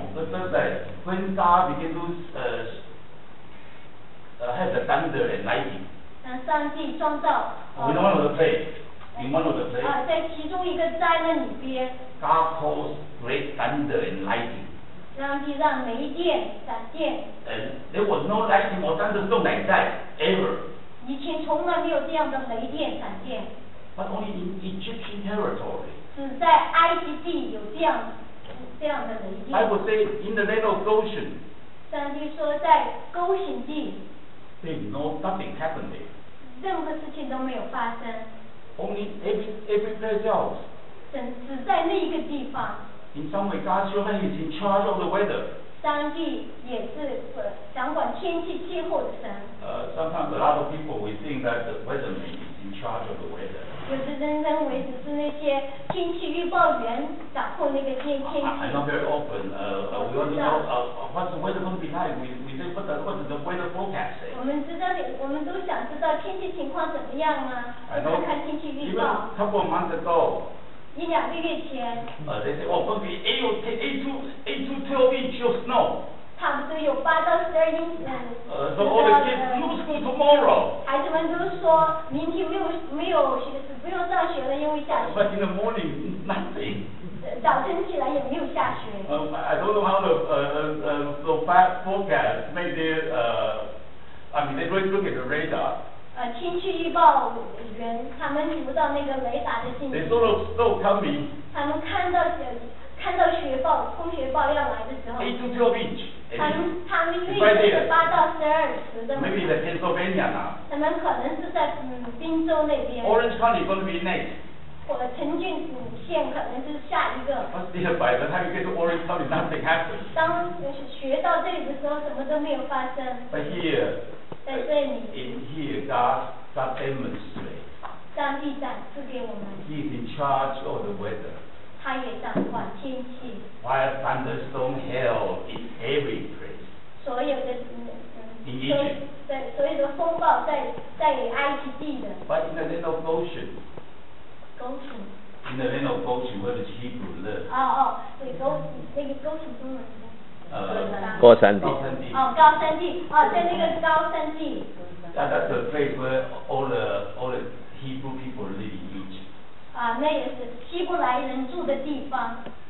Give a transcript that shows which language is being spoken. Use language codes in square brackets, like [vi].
[en] But that when God began to have the thunder and lightning. [zh] 当上帝创造。 [en] In one of the place. In one of the place. [zh] 在其中一个灾难里边。 [en] God calls great thunder and lightning. [zh] 上帝让雷电闪电。 [en] And there was no lightning or thunderstorm like that ever. [zh] 以前从来没有这样的雷电闪电。 [en] But only in Egyptian territory. [zh] 只在埃及地有这样的雷电。 [en] I would say in the land of Goshen. [zh] 上帝说在沟险地。 [en] There's no nothing happened there. [zh] 任何事情都没有发生。 [en] Only every place else. [zh] 只在那个地方。 [en] In some way, God's human is in charge of the weather. [zh] 上帝也是掌管天气气候的神。 [en] Sometimes a lot of people we think that the weatherman is in charge of the weather. [zh] 有时人认为只是那些天气预报员掌控那个天气。 [en] I know very often. We want to know what's the weather going to be like. We say what does the weather forecast say? [zh] 我们知道的，我们都想知道天气情况怎么样吗？看看天气预报。 [en] Even a couple of months ago. [zh] 一两个月前。 [en] They say, oh, going to be 8 to 12 inches of snow. [zh] 他们都有8到12英尺。 [en] So all the kids no school tomorrow. [zh] 孩子们都说明天没有不用上学了，因为下雪。 [en] But in the morning, nothing. [zh] 早晨起来也没有下雪。 [en] I don't know how the bad forecast made their they don't look at the radar. [zh] 天气预报员他们读到那个雷达的信息。 [en] They saw the snow coming. [zh] 他们看到雪暴，风雪暴要来的时候。 [en] 8 to 12 inch. [zh] 他们预计是8到12尺的。 [en] Maybe the Pennsylvania now. [zh] 他们可能是在宾州那边。 [en] Orange County going to be next. [zh] 或者城郡县可能是下一个。 [en] But still, by the time you get to Orange County, nothing happens. [zh] 当学到这里的时候，什么都没有发生。 [en] But here. [zh] 在这里。 [en] In here, God demonstrates. [zh] 上帝展示给我们。 [en] He is in charge of the weather. [zh] 他也掌管天气。 [en] While thunderstorm hail is every place. [zh] 所有的 [en] In Egypt. [zh] 所有的风暴在埃及地的。 [en] But in the land of Goshen. Goshen. In the land of Goshen, where the Hebrew live. [zh] 对 Goshen, 那个 Goshen 中文。高山地。高山地。在那个高山地。 [en] That's the place where all the Hebrew people live in Egypt. [zh] 那也是希伯来人住的地方。